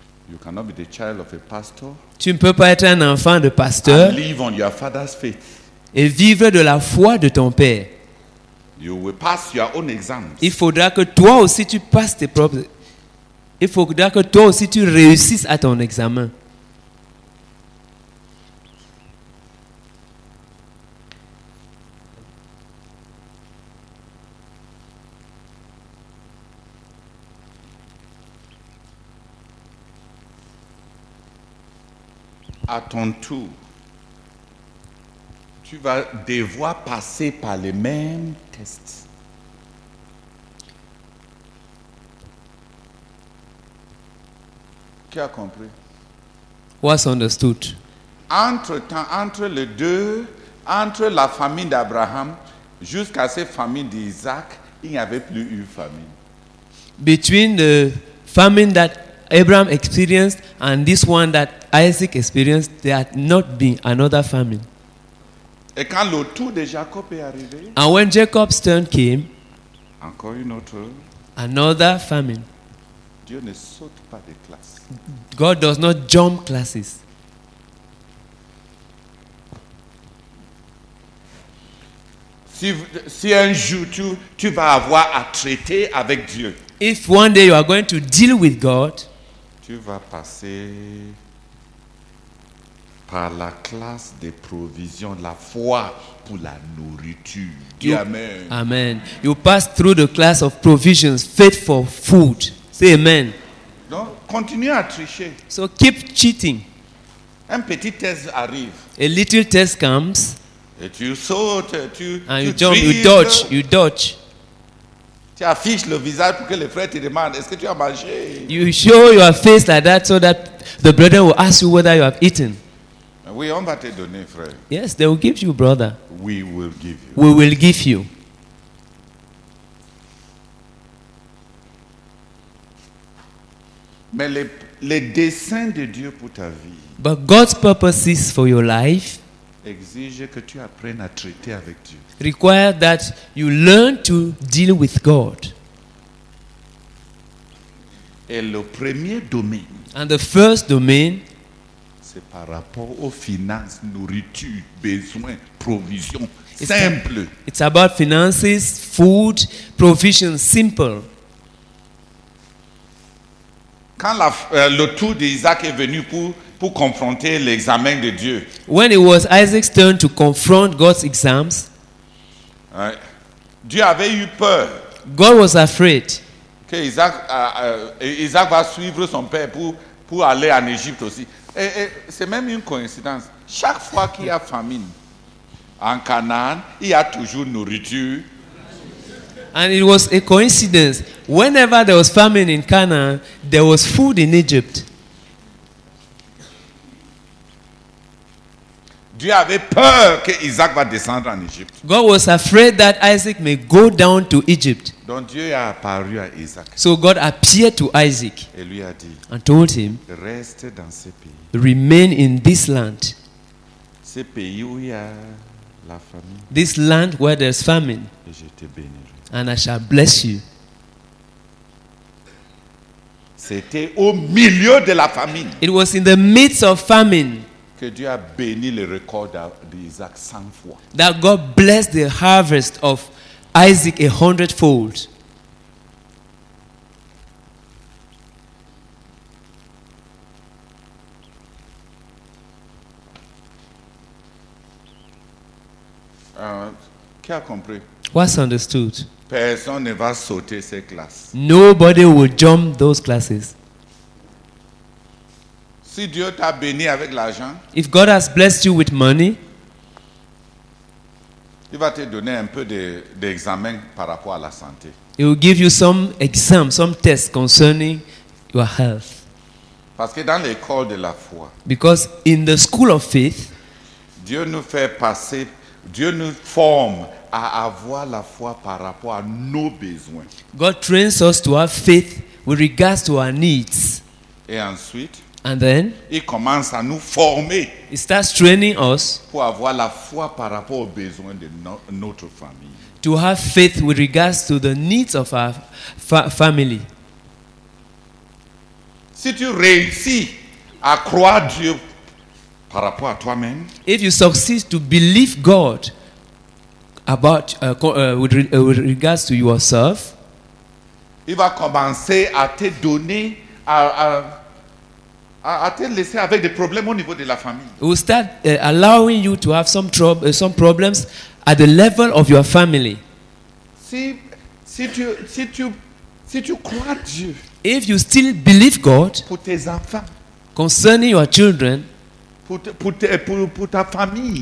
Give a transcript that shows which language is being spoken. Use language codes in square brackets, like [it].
[en] You cannot be the child of a pastor. [fr] Tu ne peux pas être un enfant de pasteur [en] and live on your father's faith. [fr] Et vivre de la foi de ton père. [en] You will pass your own exams. [fr] Il faudra que toi aussi tu passes tes propres. Il faudra que toi aussi tu réussisses à ton examen. À ton tour, tu vas devoir passer par les mêmes tests. Qui a compris? [en] What's understood? [fr] Entre la famille d'Abraham jusqu'à cette famille d'Isaac, il n'y avait plus eu famine. [en] Between the famine that Abraham experienced and this one that Isaac experienced, there had not been another famine. [fr] Et quand le tour de Jacob est arrivé, [en] and when Jacob's turn came, [fr] encore une autre, [en] another famine. [fr] Dieu ne saute pas de classe. [en] God does not jump classes. [fr] Si un jour tu vas avoir à traiter avec Dieu, [en] if one day you are going to deal with God, [fr] tu vas passer par la classe des provisions, la foi pour la nourriture. Amen. Amen. [en] You pass through the class of provisions, faith for food. Say amen. [fr] Donc, continue à tricher. [en] So keep cheating. [fr] Un petit test arrive. [en] A little test comes. [fr] Et tu sautes, tu [en] and you jump, you dodge, you dodge. [fr] Tu affiches le visage pour que les frères te demandent, est-ce que tu as mangé? [en] You show your face like that so that the brethren will ask you whether you have eaten. [fr] Oui, on va te donner, frère. [en] Yes, they will give you, brother. We will give you. We will give you. [fr] Mais le dessein de Dieu pour ta vie. [en] But God's purposes for your life. [fr] Exige que tu apprennes à traiter avec Dieu. [en] Require that you learn to deal with God. [fr] Et le premier domaine. [en] And the first domain. [fr] C'est par rapport aux finances, nourriture, besoins, provisions, simple. [en] It's about finances, food, provisions, simple. [fr] Quand le tour d'Isaac est venu pour confronter l'examen de Dieu. [en] When it was Isaac's turn to confront God's exams. [fr] Dieu avait eu peur. [en] God was afraid. [fr] Que Isaac va suivre son père pour aller en Égypte aussi. Et c'est même une coïncidence. Chaque fois qu'il y a famine en Canaan, il y a toujours nourriture. [en] And it was a coincidence. Whenever there was famine in Canaan, there was food in Egypt. [fr] Dieu avait peur que Isaac va descendre en Égypte. [en] God was afraid that Isaac may go down to Egypt. [fr] Donc Dieu a apparu à Isaac. [en] So God appeared to Isaac. [fr] Et lui a dit. [en] And told him. [fr] Reste dans ce pays. [en] Remain in this land. [fr] Ce pays où il y a la famine. [en] This land where there's famine. [fr] Et je te bénirai. [en] And I shall bless you. [fr] C'était au milieu de la famine. [en] It was in the midst of famine. [fr] Que Dieu a béni le record d'Isaac 100 fois. [en] That God blessed the harvest of Isaac 100-fold. [fr] Qui a compris? [en] What's understood? [fr] Personne ne va sauter ces classes. [en] Nobody will jump those classes. [fr] Si Dieu t'a béni avec l'argent, [en] if God has blessed you with money, [fr] il va te donner un peu d'examen par rapport à la santé. [en] He will give you some exam, some test concerning your health. [fr] Parce que dans l'école de la foi, [en] because in the school of faith, [fr] Dieu nous fait passer, Dieu nous forme à avoir la foi par rapport à nos besoins. [en] God trains us to have faith with regards to our needs. [fr] Et ensuite, [en] and then, [fr] il commence à nous former. [en] He starts training us [fr] pour avoir la foi par rapport aux besoins de notre famille. [en] To have faith with regards to the needs of our family. [fr] Si tu réussis à croire Dieu par rapport à toi-même, [en] if you succeed to believe God about with regards to yourself, [fr] il va commencer à te donner à te laisser avec des problèmes au niveau de la famille. [en] He will start allowing you to have some problems at the level of your family. [fr] Si tu crois Dieu, [en] if you still believe God [fr] pour tes enfants, [en] concerning your children, [fr] pour ta famille,